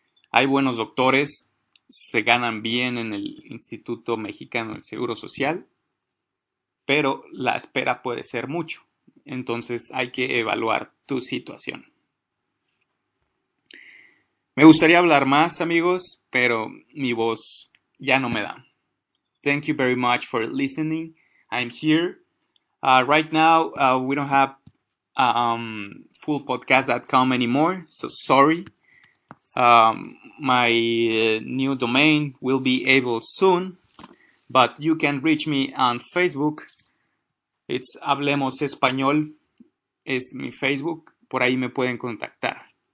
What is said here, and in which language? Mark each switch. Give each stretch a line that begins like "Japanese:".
Spanish: Hay buenos doctores, se ganan bien en el Instituto Mexicano del Seguro Social, pero la espera puede ser mucho. Entonces hay que evaluar tu situación. Me gustaría hablar más, amigos, pero mi voz ya no me da.
English: Thank you very much for listening. I'm here. Right now, we don't have fullpodcast.com anymore, so sorry. My new domain will be able soon, but you can reach me on Facebook. It's
Spanish: Hablemos Español, es mi Facebook, por ahí me pueden contactar.